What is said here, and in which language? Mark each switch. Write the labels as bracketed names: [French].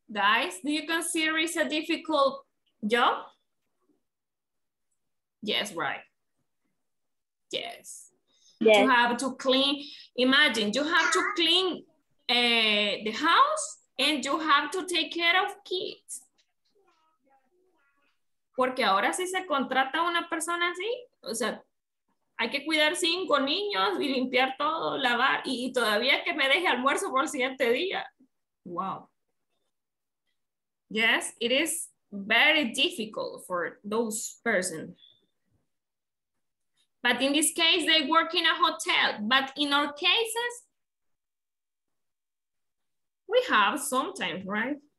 [English] Guys, do you consider it's a difficult job? Yes, right. Yes. Yes. You have to clean. Imagine, you have to clean the house and you have to take care of kids. [Spanish] Porque ahora sí se contrata una persona así. O sea, hay que cuidar 5 niños y limpiar todo, lavar. Y todavía que me deje almuerzo por el siguiente día. [English] Wow. Yes, it is very difficult for those persons. But in this case, they work in a hotel. But in our cases, we have sometimes, right?